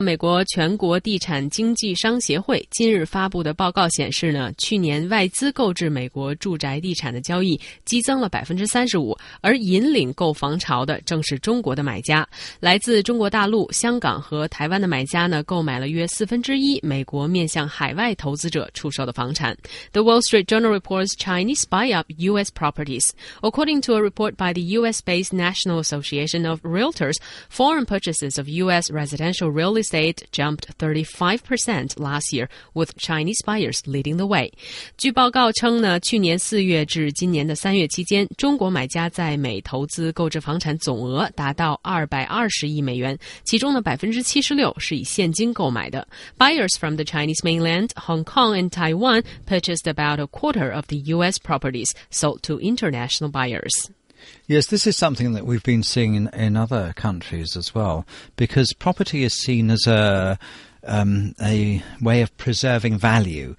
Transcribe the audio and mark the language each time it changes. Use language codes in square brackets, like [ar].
[zh] 美国全国地产经纪商协会今日发布的报告显示呢，去年外资购置美国住宅地产的交易激增了 35%， 而引领购房潮的正是中国的买家。来自中国大陆、香港和台湾的买家呢，购买了约1/4美国面向海外投资者出售的房产。 [en] The Wall Street Journal reports Chinese buy up U.S. properties. According to a report by the U.S.-based National Association of Realtors, foreign purchases of U.S. residential real estate jumped 35% last year, with Chinese buyers leading the way. [zh] 据报告称呢，去年四月至今年的三月期间，中国买家在美投资购置房产总额达到220亿美元，其中的76%是以现金购买的。 [en] Buyers from the Chinese mainland, Hong Kong, and Taiwan purchased about a quarter of the U.S. properties sold to international buyers. Yes, this is something that we've been seeing in other countries as well, because property is seen as a way of preserving value.